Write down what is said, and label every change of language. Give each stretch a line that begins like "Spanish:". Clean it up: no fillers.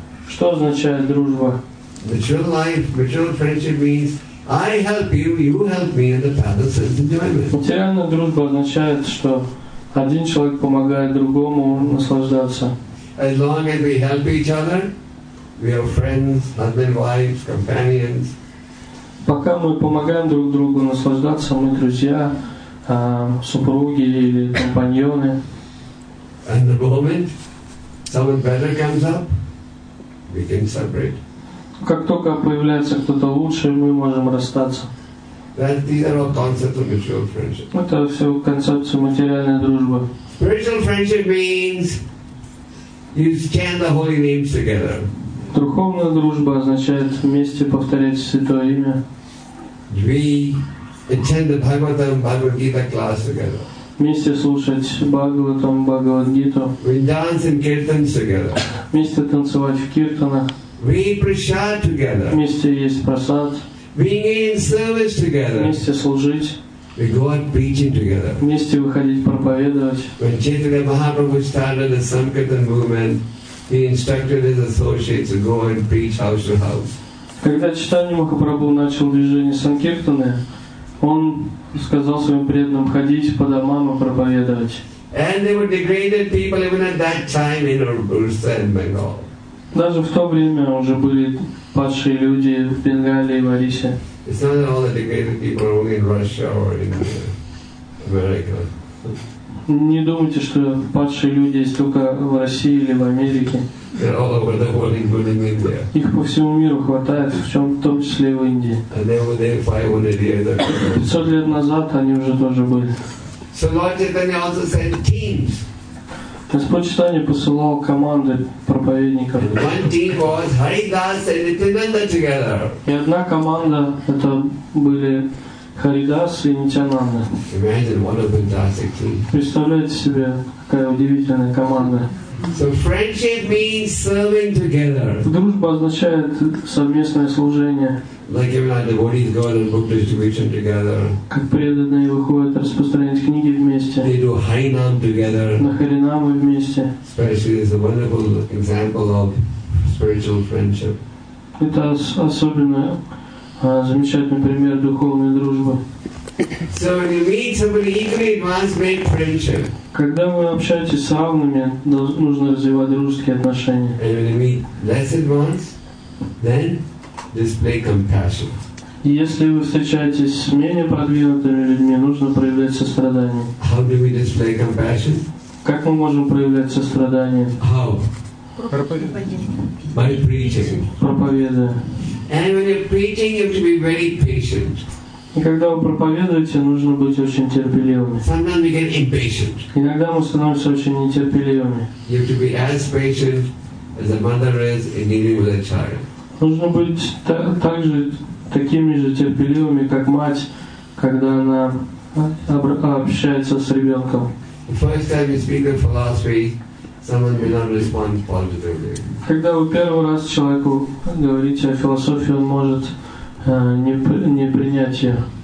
Russian: Что означает дружба? Материальная дружба означает, что один человек помогает другому наслаждаться.
English: As long as we help each other, we are friends, husband, wives, companions.
Russian: Пока мы помогаем друг другу наслаждаться, мы друзья, супруги или компаньоны.
English: And the moment someone better comes up, we can separate.
Russian: Как только появляется кто-то лучше, мы можем расстаться. Это все концепции материальной дружбы.
English: Spiritual friendship means you chant the holy names together.
Russian: Духовная дружба означает вместе повторять святое имя.
English: We attend the Bhagavatam Bhagavad Gita class together.
Russian: Вместе слушать Бхагаватам, Бхагавад-гиту.
English: We dance in kirtans together.
Russian: Вместе танцевать в киртанах.
English: We eat prasad together.
Russian: Вместе есть прасад.
English: Being in service together.
Russian: Вместе служить.
English: We go out preaching together.
Russian: Вместе выходить проповедовать.
English: When Chaitanya Mahaprabhu started the Sankirtan movement, he instructed his associates to go and preach house to house.
Russian: Когда Чайтанья Махапрабху начал движение санкиртаны, он сказал своим преданным ходить по домам и проповедовать.
English: And they were degraded people even at that time in Orissa and Bengal.
Russian: Даже в то время уже были падшие люди в Бенгале и в Орисе.
English: It's not all the degraded people are only in Russia or in America.
Russian: Не думайте, что падшие люди есть только в России или в Америке.
English: They're all over the world, including India.
Russian: Их по всему миру хватает, в чем, в том числе и в Индии.
English: And they were there 500 years ago.
Russian: 500 лет назад они уже тоже были.
English: So Lord Chaitanya also sent teams.
Russian: Господь Чайтанья посылал команды проповедников.
English: One team was Haridas and Nityananda together.
Russian: И одна команда это были Харидас и Нитянанда.
English: Imagine what a fantastic team.
Russian: Представляете себе, какая удивительная команда.
English: So friendship means serving together.
Russian: Дружба означает совместное служение.
English: Like even our devotees go out and book distribution together.
Russian: Как преданные выходят распространять книги вместе.
English: They do Harinam together.
Russian: На Харинамы вместе.
English: Especially this is a wonderful example of spiritual friendship.
Russian: Это особенно замечательный пример духовной дружбы.
English: So when you meet somebody equally advanced, make friendship.
Russian: Когда вы общаетесь с равными, нужно развивать дружеские отношения.
English: And when you meet less advanced, then display compassion.
Russian: Если вы встречаетесь с менее продвинутыми людьми, нужно проявлять сострадание.
English: How do we display compassion?
Russian: Как мы можем проявлять сострадание?
English: How? By preaching.
Russian: Проповедуя.
English: And when you're preaching, you have to be very patient.
Russian: И когда вы проповедуете, нужно быть очень терпеливыми.
English: Sometimes we get impatient.
Russian: Иногда мы становимся очень нетерпеливыми.
English: You have to be as patient as a mother is in dealing with a child.
Russian: Нужно быть также такими же терпеливыми, как мать, когда она общается с ребенком. Когда вы первый раз человеку говорите о философии, он может не принять ее.